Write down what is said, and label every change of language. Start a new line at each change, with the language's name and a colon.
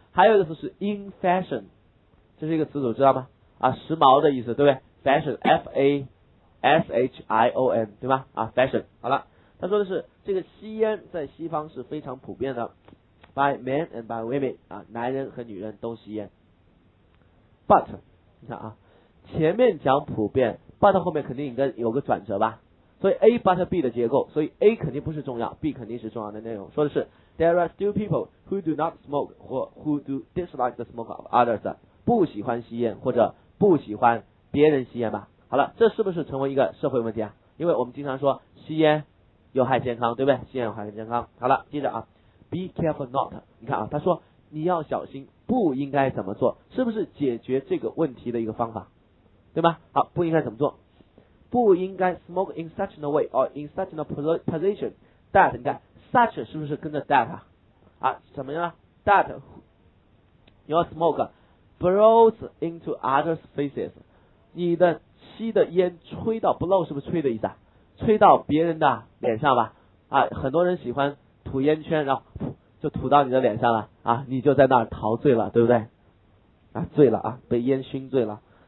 Chinese: 还有一个词是 in fashion， 这是一个词组知道吗，啊，时髦的意思对不对， fashion F-A-S-H-I-O-N 对吧，啊， fashion。好了，他说的是这个吸烟在西方是非常普遍的，
English: by men and by women
Chinese: 啊，男人和女人都吸烟。 but 你看啊，前面讲普遍， but 后面肯定应该有个转折吧，所以 A but B 的结构，所以 A 肯定不是重要， B 肯定是重要的内容，说的是
English: There are still people who do not smoke or who do dislike the smoke of others，
Chinese: 不喜欢吸烟或者不喜欢别人吸烟吧。好了，这是不是成为一个社会问题啊？因为我们经常说吸烟有害健康，对不对？吸烟有害健康。好了，接着啊，
English: Be careful not，
Chinese: 你看啊，他说你要小心不应该怎么做，是不是解决这个问题的一个方法，对吧？好，不应该怎么做，不应该
English: smoke in such a way or in such a position that，
Chinese: 你看 such 是不是跟着 that 啊，怎么样
English: that your smoke blows into other faces，
Chinese: 你的吸的烟吹到 blow 是不是吹的意思啊，吹到别人的脸上吧，啊，很多人喜欢吐烟圈，然后就吐到你的脸上了啊，你就在那儿陶醉了，对不对啊，醉了啊，被烟熏醉了。